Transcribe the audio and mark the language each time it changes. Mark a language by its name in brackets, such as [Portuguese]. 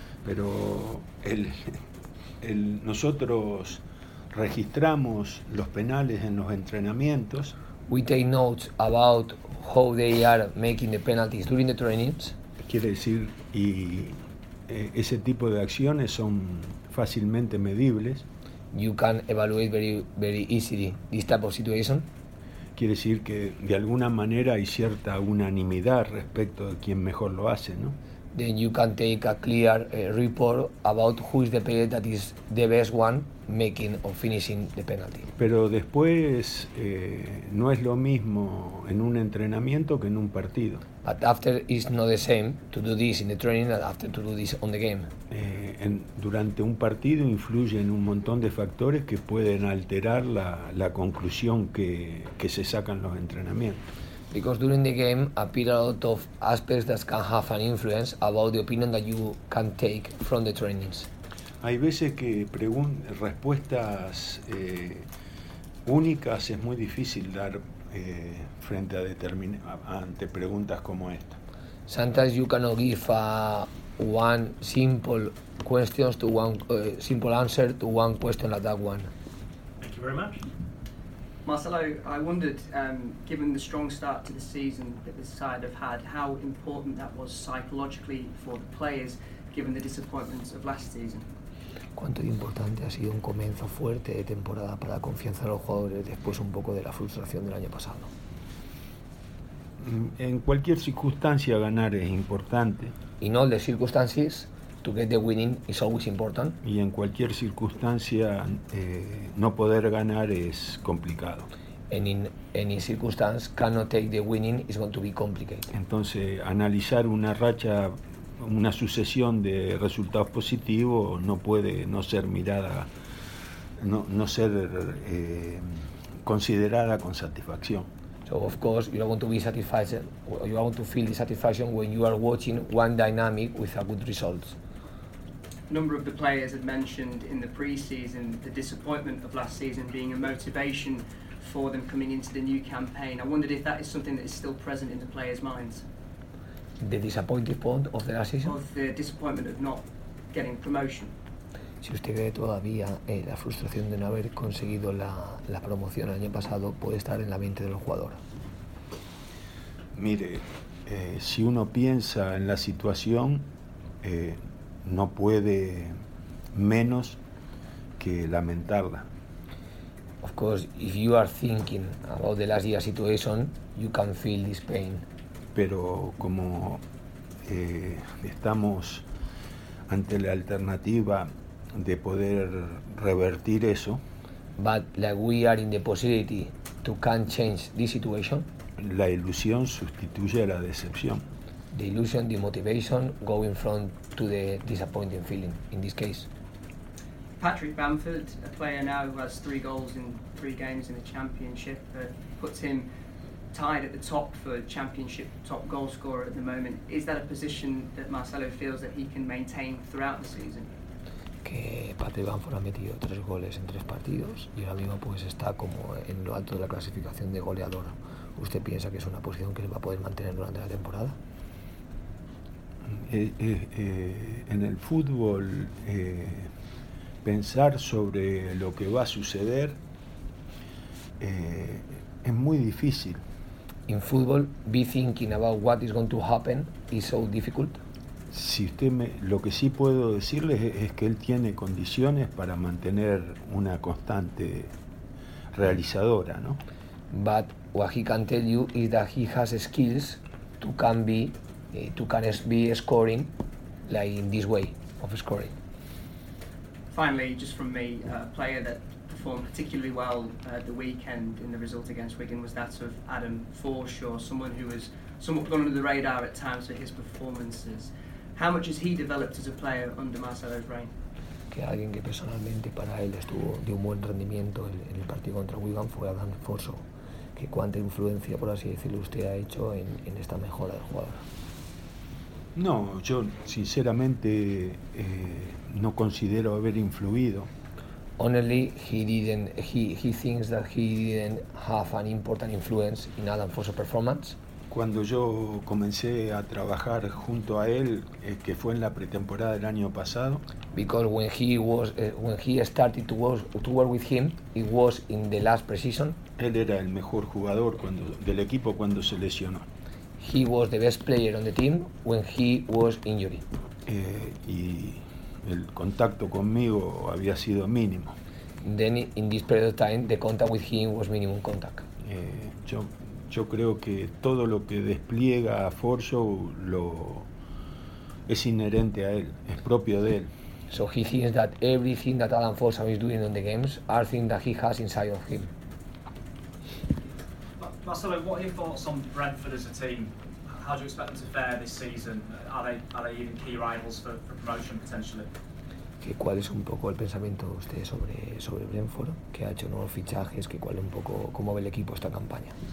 [Spanish] Pero el nosotros registramos los penales en los entrenamientos. [English] We take notes about how they are making the penalties during the trainings. [Spanish] Quiere decir, y ese tipo de acciones son fácilmente medibles. [English] You can evaluate very, very easily this type of situation. [Spanish] Quiere decir que de alguna manera hay cierta unanimidad respecto de quién mejor lo hace, ¿no? [English] Then you can take a clear report about who is the player that is the best one making or finishing the penalty. [Spanish] Pero después no es lo mismo en un entrenamiento que en un partido. [English] But after it's not the same to do this in the training and after to do this on the game. [Spanish] Durante un partido influye en un montón de factores que pueden alterar la conclusión que se sacan los entrenamientos. [English] Because during the game appear a lot of aspects that can have an influence about the opinion that you can take from the trainings. [Spanish] Hay veces que respuestas únicas es muy difícil dar frente a ante preguntas como esta. [English] Sometimes you cannot give one simple questions to one simple answer to one question like that one. Thank you very much. Marcelo, I wondered, given the strong start to the season that the side have had, how important that was psychologically for the players, given the disappointments of last season. [Spanish] ¿Cuánto importante ha sido un comienzo fuerte de temporada para la confianza de los jugadores después un poco de la frustración del año pasado? En cualquier circunstancia ganar es importante. [English] In all the circumstances, to get the winning is always important. [Spanish] Y en cualquier circunstancia no poder ganar es complicado. [English] And in any circumstance, cannot take the winning is going to be complicated. [Spanish] Entonces, analizar una racha, una sucesión de resultados positivos no puede no ser mirada, considerada con satisfacción. [English] So of course you are going to be satisfied, or you are going to feel the satisfaction when you are watching one dynamic with a good result. number of the players had mentioned in the pre-season the disappointment of last season being a motivation for them coming into the new campaign. I wondered if that is something that is still present in the players' minds. The disappointing point of the last season? Of the disappointment of not getting promotion. [Spanish] Si usted cree todavía la frustración de no haber conseguido la promoción el año pasado, puede estar en la mente del jugador. Mire, si uno piensa en la situación, no puede menos que lamentarla. [English] Of course, if you are thinking about the last year situation, you can feel this pain. [Spanish] Pero como estamos ante la alternativa de poder revertir eso. [English] But like we are in the possibility to can change this situation. [Spanish] La ilusión sustituye a la decepción. [English] The illusion, the motivation, go in front to the disappointing feeling in this case. Patrick Bamford, a player now who has 3 goals in 3 games in the Championship, puts him tied at the top for Championship top goal scorer at the moment. Is that a position that Marcelo feels that he can maintain throughout the season? [Spanish] Que Patrick Bamford ha metido 3 goles en 3 partidos y ahora mismo pues está como en lo alto de la clasificación de goleador. ¿Usted piensa que es una posición que él va a poder mantener durante la temporada? En el fútbol, pensar sobre lo que va a suceder es muy difícil. [English] In football, be thinking about what is going to happen is so difficult. [Spanish] Si usted lo que sí puedo decirle es que él tiene condiciones para mantener una constante realizadora, ¿no? [English] But what he can tell you is that he has skills to be scoring like in this way of scoring. Finally, just from me, a player that performed particularly well at the weekend in the result against Wigan was that of Adam Forshaw, someone who has somewhat gone under the radar at times for his performances. How much has he developed as a player under Marcelo's reign? [Spanish] Que alguien que personalmente para él estuvo de un buen rendimiento en el partido contra Wigan fue Adam Forshaw. Que cuánta influencia, por así decirlo, usted ha hecho en esta mejora del jugador. No, yo sinceramente no considero haber influido. [English] Honestly, he thinks that he didn't have an important influence in Adam Forshaw's performance. [Spanish] Cuando yo comencé a trabajar junto a él, que fue en la pretemporada del año pasado. [English] Because when he started to work with him, it was in the last preseason. [Spanish] Él era el mejor jugador del equipo cuando se lesionó. [English] He was the best player on the team when he was injured. [Spanish] Y el contacto conmigo había sido mínimo. [English] Then in this period of time, the contact with him was minimum contact. [Spanish] Yo creo que todo lo que despliega a Forshaw es inherente a él, es propio de él. [English] So he thinks that everything that Adam Forshaw is doing on the games are things that he has inside of him. Marcelo, what are your thoughts on Brentford as a team? How do you expect them to fare this season? Are they even key rivals for promotion potentially? [Spanish] ¿Qué cuál es un poco el pensamiento de usted sobre Brentford? ¿Qué ha hecho nuevos fichajes? ¿Qué cuál es un poco cómo ve el equipo esta campaña?